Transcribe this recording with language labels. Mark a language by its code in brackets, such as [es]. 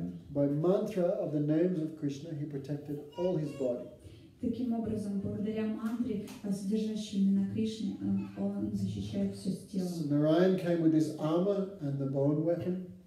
[en] By mantra of the names of Krishna, he protected all his body. [ru] Таким образом, благодаря мантре, содержащей имена Кришны, он защищает все тело. [en] So Narayan came with his armor and the bone weapon.